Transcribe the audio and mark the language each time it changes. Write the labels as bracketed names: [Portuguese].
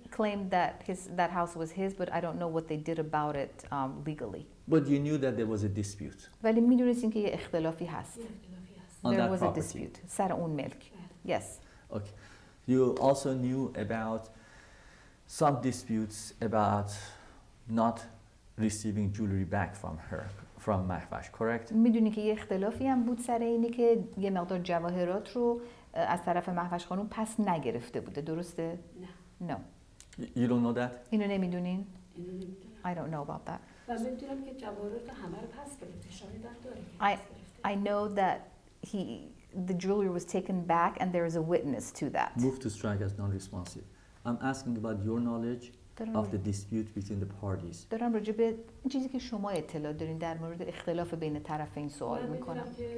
[English] claimed that that house was his, but I don't know what they did about it legally. But you knew that there was a dispute. [Persian] ولی می‌دونستین که یه اختلافی هست. [English] There was a dispute [Persian] سر اون ملک. [English] Yes. Okay. You also knew about some disputes about not receiving jewelry back from her, from Mahvash, correct? [Persian] میدونی که یه اختلافی هم بود سر اینی که یه مقدار جواهرات رو از طرف مهوش خانم پس نگرفته بوده، درسته؟ نه. [English] No. You don't know that? [Persian] اینو نمیدونین؟ [English] I don't know about that. [Persian] من میدونم که جواهرات همه رو پس گرفته، شاید هم داره که پس گرفته. [English] I know that the jewelry was taken back and there is a witness to that. Move to strike as non-responsive. I'm asking about your knowledge of the dispute between the parties. [Persian] دارم راجع به چیزی که شما اطلاع دارین در مورد اختلاف بین طرفین سوال میکنم.